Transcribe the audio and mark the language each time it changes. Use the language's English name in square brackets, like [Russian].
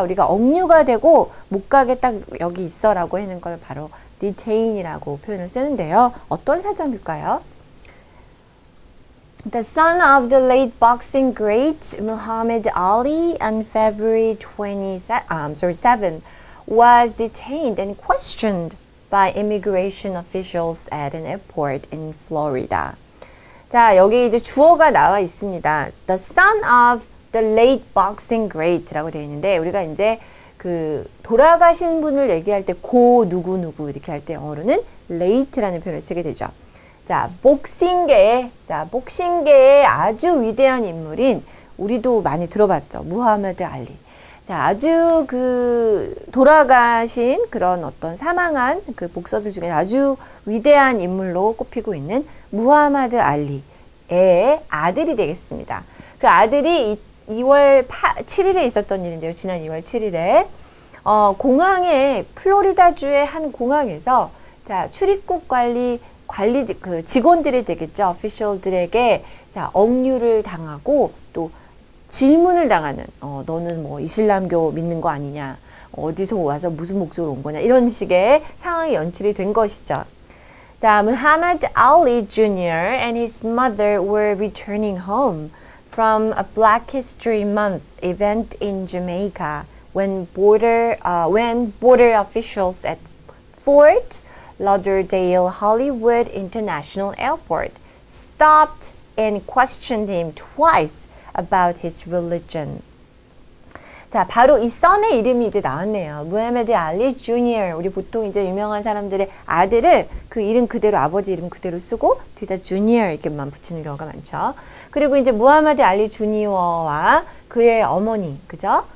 [Korean] 우리가 억류가 되고 못 가겠다 여기 있어 라고 하는 걸 바로 detain이라고 표현을 쓰는데요. 어떤 사정일까요? [English] The son of the late boxing great Muhammad Ali on February 27th was detained and questioned by immigration officials at an airport in Florida. [Korean] 자, 여기 이제 주어가 나와 있습니다. [English] The son of the late boxing great [Korean] 라고 되어 있는데 우리가 이제 그 돌아가신 분을 얘기할 때 고 누구누구 이렇게 할 때 영어로는 late라는 표현을 쓰게 되죠. 자, 복싱계의 아주 위대한 인물인 우리도 많이 들어봤죠. 무하마드 알리. 자, 아주 그 돌아가신 그런 어떤 사망한 그 복서들 중에 아주 위대한 인물로 꼽히고 있는 무하마드 알리의 아들이 되겠습니다. 그 아들이 7일에 있었던 일인데요. 지난 2월 7일에 공항에 플로리다주의 한 공항에서 자, 출입국 관리 그 직원들이 되겠죠. officials들에게 자, 억류를 당하고 또 질문을 당하는 너는 뭐 이슬람교 믿는 거 아니냐 어디서 와서 무슨 목적으로 온 거냐 이런 식의 상황이 연출이 된 것이죠. [English] 자, Muhammad Ali Jr. and his mother were returning home from a Black History Month event in Jamaica when border officials at Fort Lauderdale Hollywood International Airport stopped and questioned him twice about his religion. [Korean] 자, 바로 이 son의 이름이 이제 나왔네요. [English] Muhammad Ali Jr. [Korean] 우리 보통 이제 유명한 사람들의 아들을 그 이름 그대로 아버지 이름 그대로 쓰고 뒤에다 Junior 이렇게만 붙이는 경우가 많죠. 그리고 이제 Muhammad Ali Jr.와 그의 어머니, 그죠?